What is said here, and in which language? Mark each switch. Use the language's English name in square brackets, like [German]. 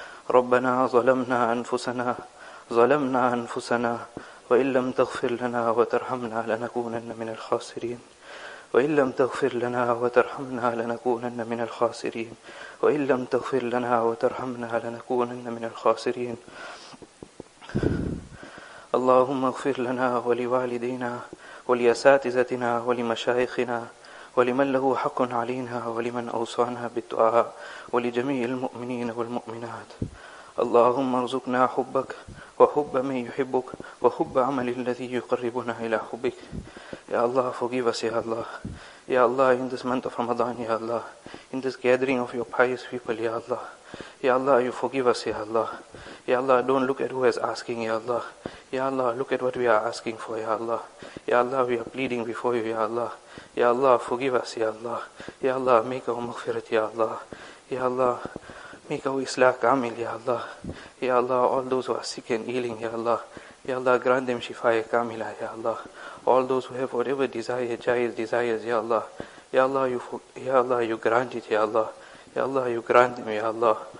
[Arabic] ربنا ظلمنا أنفسنا وإن لم تغفر لنا وترحمنا لنكونن من الخاسرين وإن لم تغفر لنا وترحمنا لنكونن من الخاسرين وإن لم تغفر لنا وترحمنا لنكونن من الخاسرين اللهم اغفر لنا ولوالدينا ولأساتذتنا ولمشايخنا ولمن له حق علينا ولمن أوصانا بالدعاء ولجميع المؤمنين والمؤمنات المؤمنات. اللهم ارزقنا حبك وحب من يحبك وحب عمل الذي يقربنا الى حبك. [English] يا الله forgive us, يا الله. يا الله in this month of Ramadan, يا الله. In this gathering of your pious people, يا الله. يا الله you forgive us, يا الله. يا الله don't look at who is asking, يا الله. يا الله look at what we are asking for, يا الله. يا الله we are pleading before you, يا الله. يا الله forgive us, يا الله. يا الله make our مغفرت, يا الله. يا الله make our islah kamil, يا الله. يا الله all those who are sick and ailing, يا الله. يا الله grant them shifa'i kamila, يا الله. All those who have whatever desire, jayiz desires, ya Allah. Ya Allah, you grant it, ya Allah. Ya Allah, you grant them, ya Allah.